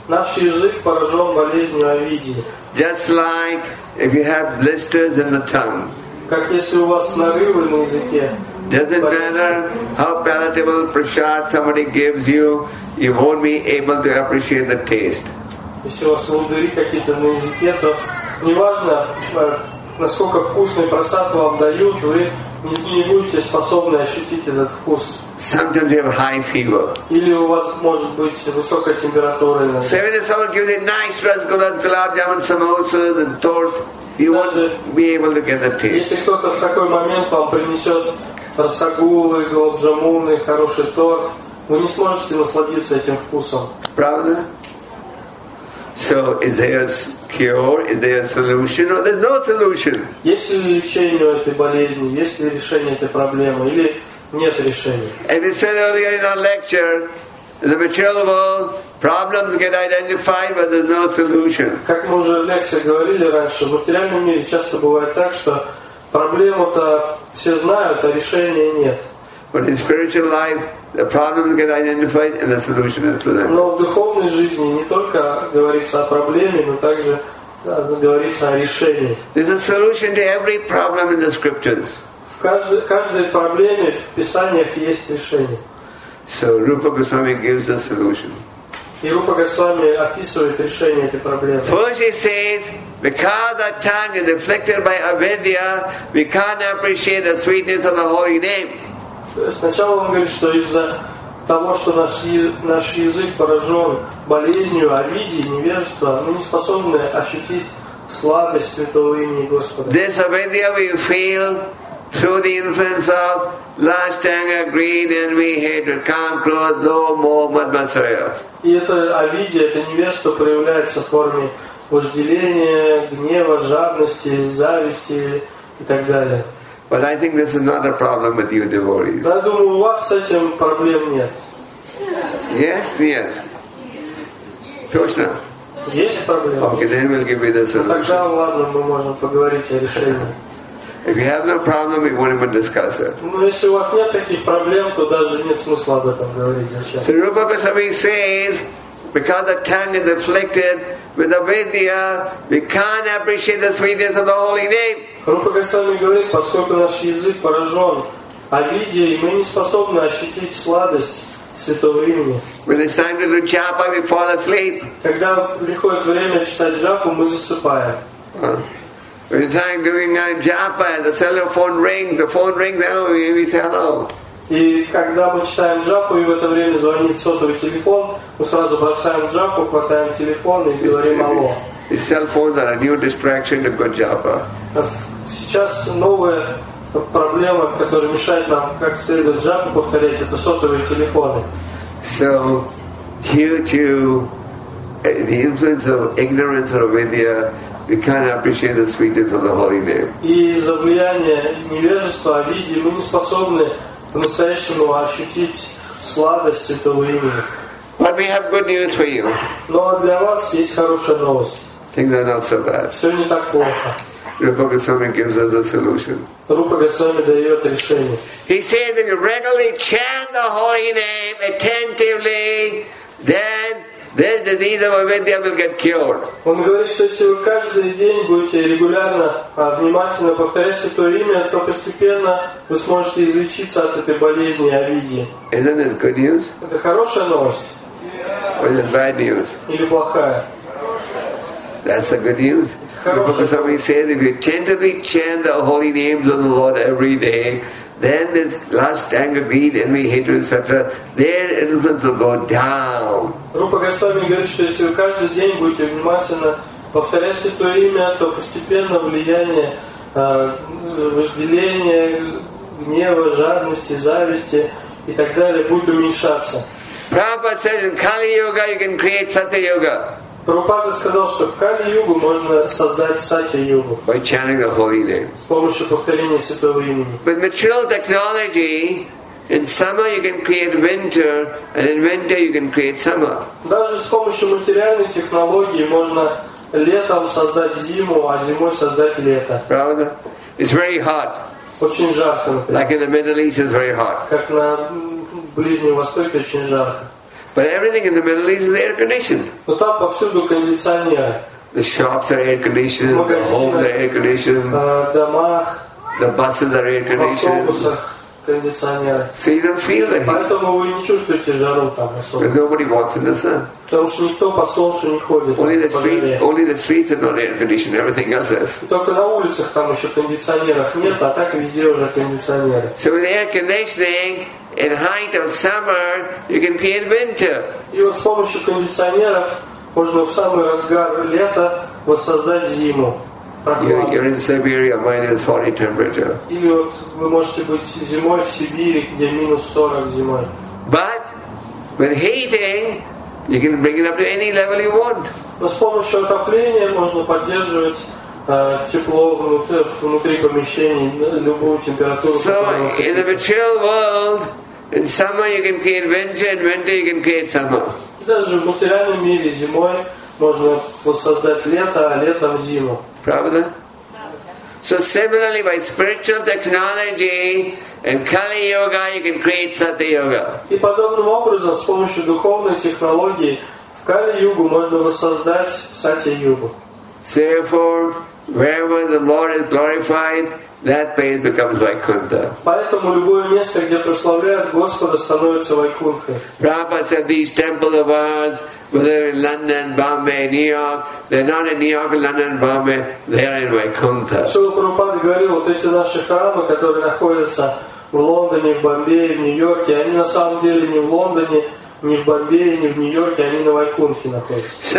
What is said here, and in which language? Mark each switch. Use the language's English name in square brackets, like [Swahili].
[Russian] Наш язык поражен болезнью авидии. [English] Just like if you have blisters in the tongue. [Russian] Как если у вас нарывы на языке. [English] Doesn't matter how palatable prasad somebody gives you, you won't be able to appreciate the taste. [Russian] Если у вас волдыри какие-то на языке, то неважно, насколько вкусный прасад вам дают, вы не будете способны ощутить этот вкус. [English] Sometimes you have high fever. [Russian] Или у вас может быть высокая температура. [English] So even if someone gives you nice rasgullas, gulab jamun, samosas, and tort, you won't be able to get the taste. [Russian] Если кто-то в такой момент вам принесет рассагулы, гулаб джамуны, хороший торт, вы не сможете насладиться этим вкусом. Правда? [English] So is there a cure? Is there a solution? Or there's no solution? [Russian] Есть ли лечение этой болезни? Есть ли решение этой проблемы? Или [English] And we said earlier in our lecture, in the material world, problems get identified, but there's no solution. [Russian] Как мы уже в лекции говорили раньше, в материальном мире часто бывает так, что проблему-то все знают, а решения нет. [English] But in spiritual life, the problems get identified, and the solution is presented. [Russian] Но в духовной жизни не только говорится о проблеме, но также говорится о решении. [English] There's a solution to every problem in the scriptures. [Russian] В каждой проблеме в Писаниях есть решение. [English] So Rupa Goswami gives the solution. [Russian] И Рупа Госвами описывает решение этой проблемы. [English] First he says, because our tongue is afflicted by avidya, we can't appreciate the sweetness of the holy name. [Russian] Сначала он говорит, что из-за того, что наш язык поражен болезнью, авидии, невежества, мы не способны ощутить сладость святого имени Господа. [English] This avidya we feel through the influence of lust, anger, greed, envy, hatred, can't close, no more, madmasraya. [Russian] И это авидия, это невежество проявляется в форме вожделения, гнева, жадности, зависти и так далее. [English] But I think this is not a problem with you devotees. [Russian] Я думаю, у вас с этим проблем нет. [English] Yes, [Russian] нет. Точно. Есть проблема. [English] Okay, then we'll give you the solution. [Russian] Тогда, ладно, мы можем поговорить о решении. [English] If you have no problem, we won't even discuss it. [Russian] Но если у вас нет таких проблем, то даже нет смысла об этом говорить. [English] So Rupa Goswami says, because the tongue is afflicted with avidya, we can't appreciate the sweetness of the holy name. [Russian] Rupa Goswami говорит, поскольку наш язык поражен авидьей, мы не способны ощутить сладость святого имени. [English] When it's time to do japa, we fall asleep. [Russian] Когда приходит время читать джапу, мы засыпаем. [English] When the time doing our japa, the cellphone rings, and we say hello. [Russian] И когда мы читаем джапу, и в это время звонит сотовый телефон, мы сразу бросаем джапу, хватаем телефон и говорим алло. [English] The cell phones are a new distraction to good japa. [Russian] Сейчас новая проблема, которая мешает нам как следует джапу повторять, это сотовые телефоны. [English] So, due to the influence of ignorance or avidya, we can't appreciate the sweetness of the holy name. [Russian] И из-за влияния невежества, авидии, мы не способны по-настоящему ощутить сладость этого имени. [English] But we have good news for you. [Russian] Но для вас есть хорошая новость. [English] Things are not so bad. [Russian] Все не так плохо. [English] Rupa Goswami gives us a solution. [Russian] Rupa Goswami дает решение. [English] He says that if you regularly chant the holy name attentively, then this disease of Avidya will get cured. [Russian] Он говорит, что если вы каждый день будете регулярно, внимательно повторять святое имя, то постепенно вы сможете излечиться от этой болезни Авидьи. [English] Isn't this good news? [Russian] Это хорошая новость. [English] Or is it bad news? [Russian] Или плохая? [English] That's the good news. Because somebody says if you tenderly chant the holy names of the Lord every day, then this lust, anger, greed, envy, hatred, etc., their influence will go down. [Russian] Rupa Goswami говорит, что если вы каждый день будете внимательно повторять Святое имя, то постепенно влияние вожделения, гнева, жадности, зависти и так далее будет уменьшаться. [English] Prabhupada says in Kali Yuga you can create Satya Yuga. [Russian] Прабхупада сказал, что в Кали-югу можно создать Сатья-югу. [English] By chanting the holy names. [Russian] С помощью повторения святого имени. [English] With material technology, in summer you can create winter, and in winter you can create summer. [Russian] Даже с помощью материальной технологии можно летом создать зиму, а зимой создать лето. Правда? [English] It's very hot. [Russian] Очень жарко. Например. [English] Like in the Middle East, it's very hot. [Russian] Как на Ближнем Востоке очень жарко. [English] But everything in the Middle East is air conditioned. [Russian] Там повсюду кондиционеры. [English] The shops are air conditioned. The homes are air conditioned. [Russian] Домах. [English] The buses are air conditioned. [Russian] Кондиционеры. [English] So you don't feel the heat. [Russian] Поэтому вы не чувствуете жару там особо. [English] Nobody walks in the sun. [Russian] Потому что никто по солнцу не ходит. [English] Only the streets are not air conditioned. Everything else is. [Russian] Только на улицах там еще кондиционеров нет, а так везде уже кондиционеры. [English] So with air conditioning. In height of summer, you can create winter. [Russian] И вот с помощью кондиционеров можно в самый разгар лета воссоздать зиму. [English] You're in Siberia, minus 40 temperature. [Russian] Или вот вы можете быть зимой в Сибири, где минус 40 зимой. [English] But when heating, you can bring it up to any level you want. [Russian] Но с помощью отопления можно поддерживать тепло внутри помещений, любую температуру. [English] So in the material world. In summer you can create winter, in winter you can create summer. [Russian] Даже в материальном мире зимой можно воссоздать лето, а летом зиму. Правда? [English] So similarly, by spiritual technology and Kali Yoga, you can create Satya Yoga. [Russian] И подобным образом, с помощью духовной технологии, в Кали Югу можно воссоздать Сатья Югу. [English] Therefore, wherever the Lord is glorified, that place becomes Vaikuntha. [Russian] Поэтому любое место, где прославляют Господа, становится Вайкунтхой. [English] Prabhupada said these temples of ours, whether in London, Bombay, New York, they're not in New York, London, Bombay, they are in Vaikuntha. [Russian] Шрила Прабхупада говорил, вот эти наши храмы, которые находятся в Лондоне, в Бомбее, в Нью-Йорке, они на самом деле не в Лондоне, не в Бомбее, не в Нью-Йорке, они на Вайкунтхе находятся.